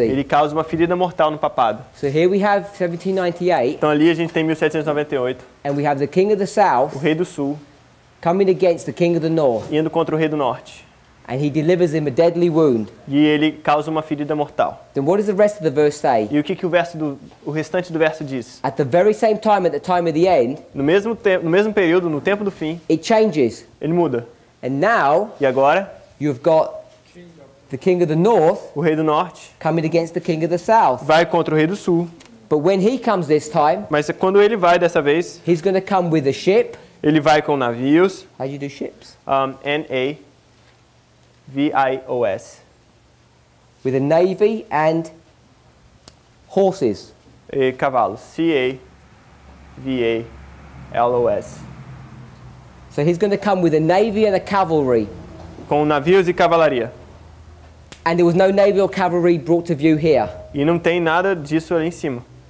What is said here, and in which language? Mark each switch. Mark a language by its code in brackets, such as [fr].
[pt] Ele causa uma ferida mortal no papado. [en] So here we have 1798. [pt] Então ali a gente tem 1798. [en] And we have the king of the south. [pt] O rei do sul. [en] Coming against the king of the north. [pt] Indo contra o rei do norte. [en] And he delivers him a deadly wound. [pt] E ele causa uma ferida mortal. [en] Then what does the rest of the verse say? [pt] E o que o restante do verso diz? [en] At the very same time, at the time of the end. [pt] No mesmo período, no tempo do fim. [en] It changes. [pt] Ele muda. [en] And now. [pt] E agora? [en] You've got the king of the north. [pt] O rei do norte. [en] Coming against the king of the south. [pt] Vai contra o rei do sul. [en] But when he comes this time. [pt] Mas quando ele vai dessa vez. [en] He's going to come with a ship. [pt] Ele vai com navios. [en] How do you do ships? [pt] N-A. V-I-O-S. [en] With a navy and horses. [pt] E cavalos. C-A-V-A-L-O-S. [en] So he's going to come with a navy and a cavalry. [pt] Com navios e cavalaria. [en] And there was no navy or cavalry brought to view here. [pt] E não tem nada disso ali em cima.